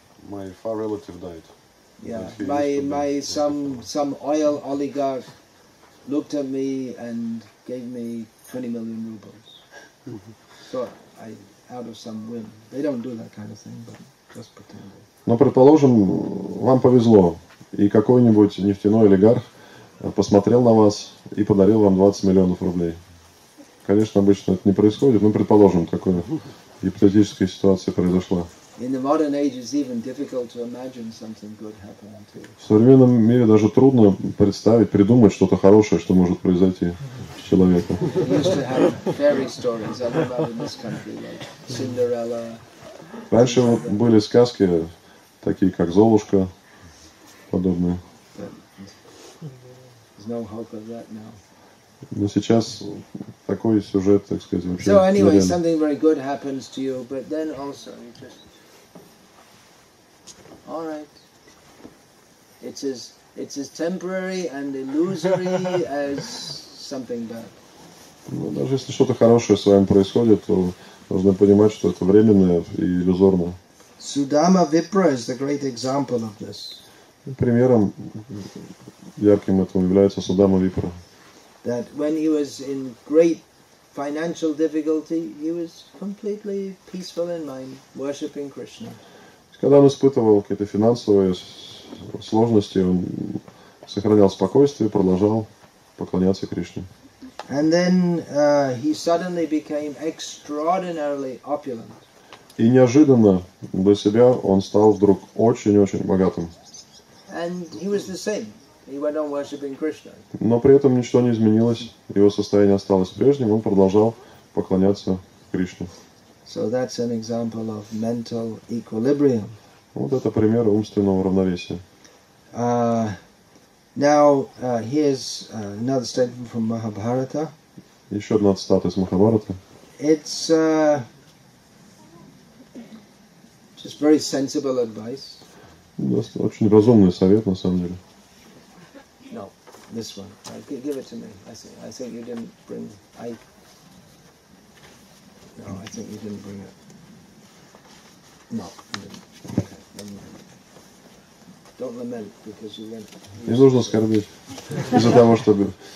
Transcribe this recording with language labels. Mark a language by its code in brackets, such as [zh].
[en] My far relative died. Yeah, my some oil oligarch looked at me and gave me 20 million rubles. So I, out of some whim, they don't do that kind of thing, but just pretend. [ru] Но предположим, вам повезло, и какой-нибудь нефтяной олигарх посмотрел на вас и подарил вам 20 миллионов рублей. Конечно, обычно это не происходит, но предположим, такая гипотетическая ситуация произошла. [en] In the modern age, it's even difficult to imagine something good happening to you. [ru] В современном мире даже трудно представить, придумать что-то хорошее, что может произойти с человеком. [en] We used to have fairy stories about in this country, like Cinderella. [ru] Раньше были сказки такие, как Золушка, подобные. [en] There's no hope of that now. [ru] Но сейчас такой сюжет, так сказать, вообще. [en] So anyway, something very good happens to you, but then also you just. All right. It's as temporary and illusory as something bad. [ru] Ну, даже если что-то хорошее с вами происходит, то нужно понимать, что это временное и иллюзорное. [en] Sudama Vipra is the great example of this. [ru] Примером ярким этому является Судама Випра. [en] That when he was in great financial difficulty, he was completely peaceful in mind, worshipping Krishna. [ru] Когда он испытывал какие-то финансовые сложности, он сохранял спокойствие, продолжал поклоняться Кришне. [en] And then, he suddenly became extraordinarily opulent. [ru] И неожиданно для себя он стал вдруг очень-очень богатым. [en] And he was the same. He went on worshiping Krishna. [ru] Но при этом ничто не изменилось, его состояние осталось прежним, он продолжал поклоняться Кришне. [en] So that's an example of mental equilibrium. [ru] Вот это пример умственного равновесия. [en] Now, here's another statement from Mahabharata. [ru] Еще одна цитата из Махабхараты. [en] It's just very sensible advice. [ru] Очень разумный совет, на самом деле. [en] No, this one. Give it to me. I think you didn't bring. No, I think you didn't bring it. No, you didn't. Okay, never mind. Don't lament because you went. [ru] Не нужно скорбить из-за того, чтобы.